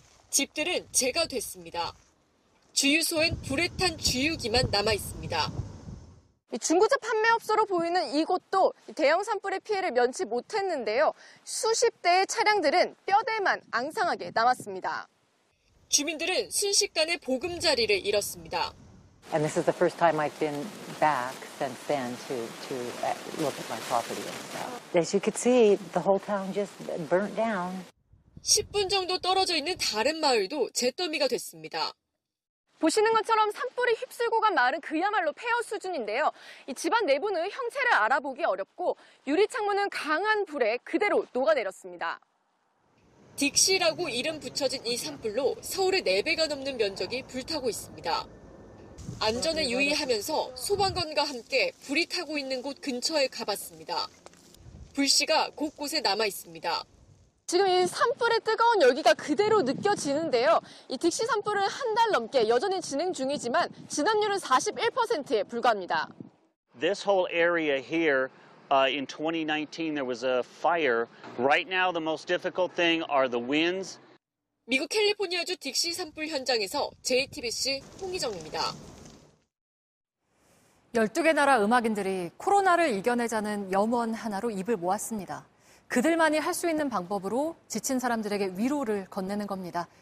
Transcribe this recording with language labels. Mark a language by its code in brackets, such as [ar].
[ko] 집들은 재가 됐습니다. 주유소엔 불에 탄 주유기만 남아있습니다. 중고차 판매업소로 보이는 이곳도 대형 산불의 피해를 면치 못했는데요. 수십 대의 차량들은 뼈대만 앙상하게 남았습니다. 주민들은 순식간에 보금자리를 잃었습니다. [en] And this is the first time I've been back since then to look at my property. As you could see, the whole town just burnt down. [ko] 10분 정도 떨어져 있는 다른 마을도 잿더미가 됐습니다. 보시는 것처럼 산불이 휩쓸고 간 마을은 그야말로 폐허 수준인데요. 이 집안 내부는 형체를 알아보기 어렵고 유리 창문은 강한 불에 그대로 녹아내렸습니다. 딕시라고 이름 붙여진 이 산불로 서울의 4배가 넘는 면적이 불타고 있습니다. 안전에 유의하면서 소방관과 함께 불이 타고 있는 곳 근처에 가봤습니다. 불씨가 곳곳에 남아있습니다. 지금 이 산불의 뜨거운 열기가 그대로 느껴지는데요. 이 딕시 산불은 한 달 넘게 여전히 진행 중이지만 진압률은 41%에 불과합니다. [en] This whole area here in 2019 there was a fire. Right now the most difficult thing are the winds. [ko] 미국 캘리포니아주 딕시 산불 현장에서 JTBC 홍희정입니다. 12개 나라 음악인들이 코로나를 이겨내자는 염원 하나로 입을 모았습니다. 그들만이 할 수 있는 방법으로 지친 사람들에게 위로를 건네는 겁니다.